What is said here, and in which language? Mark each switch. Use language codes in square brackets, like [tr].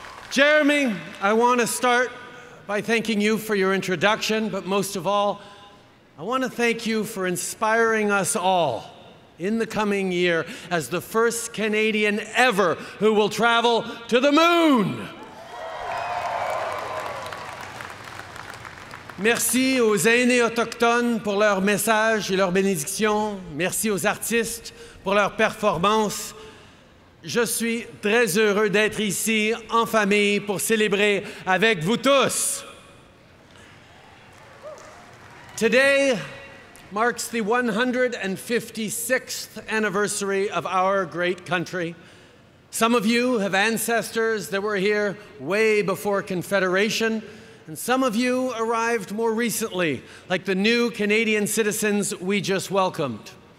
[en] Jeremy, I want to start by thanking you for your introduction, but most of all, I want to thank you for inspiring us all in the coming year as the first Canadian ever who will travel to the moon. [fr] Merci aux aînés autochtones pour leur message et leur bénédiction. Merci aux artistes pour leur performance. Je suis très heureux d'être ici en famille pour célébrer avec vous tous. [en] Today marks the 156th anniversary of our great country. Some of you have ancestors that were here way before Confederation, and some of you arrived more recently, like the new Canadian citizens we just welcomed.